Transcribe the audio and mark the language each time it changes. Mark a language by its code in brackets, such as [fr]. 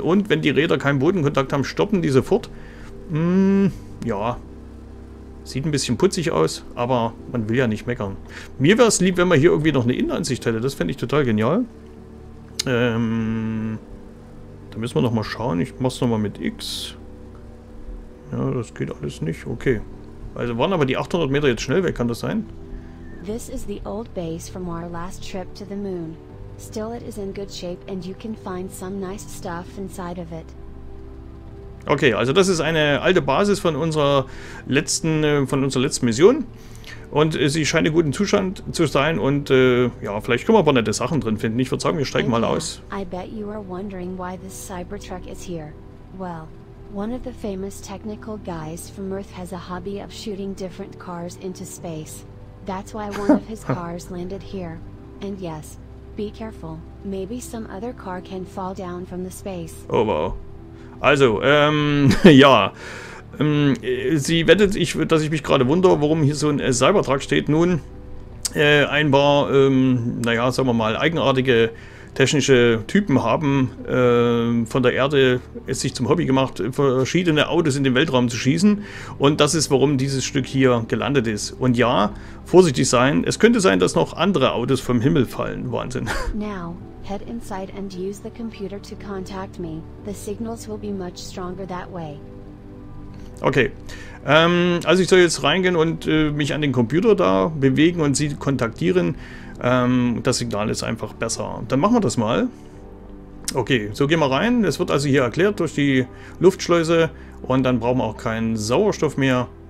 [de] Und wenn die Räder keinen Bodenkontakt haben, stoppen die sofort. Ja, sieht ein bisschen putzig aus, aber man will ja nicht meckern. Mir wäre es lieb, wenn man hier irgendwie noch eine Innenansicht hätte, das fände ich total genial. Da müssen wir nochmal schauen, ich mach's nochmal mit X. Ja, das geht alles nicht, okay. Also waren aber die 800 Meter jetzt schnell weg, kann das sein? [en] This is the old base from our last trip to the moon. Still it is in good shape and you can find some nice stuff inside of it. [de] Okay, also das ist eine alte Basis von unserer letzten Mission. Und sie scheint in gutem Zustand zu sein und ja, vielleicht können wir aber nette Sachen drin finden. Ich würde sagen, wir steigen mal aus. [en] I bet you are wondering why this Cybertruck is here. Well, one of the famous technical guys from Earth has a hobby of shooting different cars into space. That's why one of his cars landed here. And yes, be careful. Maybe some other car can fall down from the space. [de] Oh wow. Also, ja. Sie wettet, dass ich mich gerade wundere, warum hier so ein Cybertruck steht. Nun, ein paar, naja, sagen wir mal, eigenartige technische Typen haben von der Erde es sich zum Hobby gemacht, verschiedene Autos in den Weltraum zu schießen. Und das ist, warum dieses Stück hier gelandet ist. Und ja, vorsichtig sein, es könnte sein, dass noch andere Autos vom Himmel fallen. Wahnsinn. [en] Now, head inside and use the computer to contact me. The signals will be much stronger that way. [de] Okay, also ich soll jetzt reingehen und mich an den Computer da bewegen und sie kontaktieren. Das Signal ist einfach besser. Dann machen wir das mal. Okay, so gehen wir rein. Es wird also hier erklärt durch die Luftschleuse und dann brauchen wir auch keinen Sauerstoff mehr.